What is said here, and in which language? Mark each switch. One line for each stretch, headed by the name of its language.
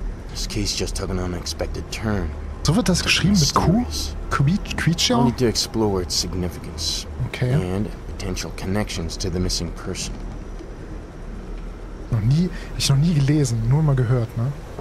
English: This case just took an unexpected turn.
German: So wird das geschrieben mit Quietscher?
English: I need to explore its significance. Okay. And potential connections to the missing person.
German: Noch nie, ich noch nie gelesen, nur mal gehört, ne?